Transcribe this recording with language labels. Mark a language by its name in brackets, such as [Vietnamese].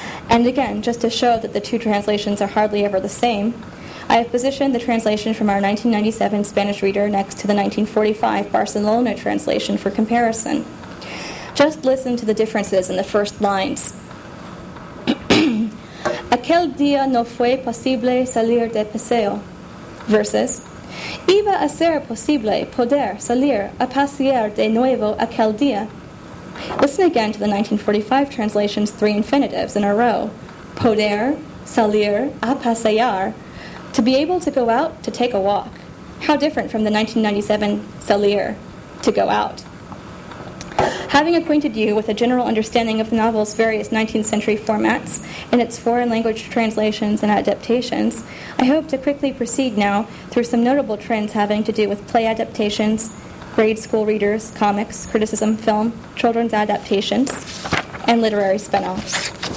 [English] And again, just to show that the two translations are hardly ever the same, I have positioned the translation from our 1997 Spanish reader next to the 1945 Barcelona translation for comparison. Just listen to the differences in the first lines. [Spanish] Aquel día no fue posible salir de paseo. Versus, iba a ser posible poder salir a pasear de nuevo aquel día. [English] Listen again to the 1945 translation's three infinitives in a row. [Spanish] Poder, salir, a pasear, [English] to be able to go out, to take a walk. How different from the 1997 salir, to go out. Having acquainted you with a general understanding of the novel's various 19th century formats and its foreign language translations and adaptations, I hope to quickly proceed now through some notable trends having to do with play adaptations, grade school readers, comics, criticism, film, children's adaptations, and literary spin-offs.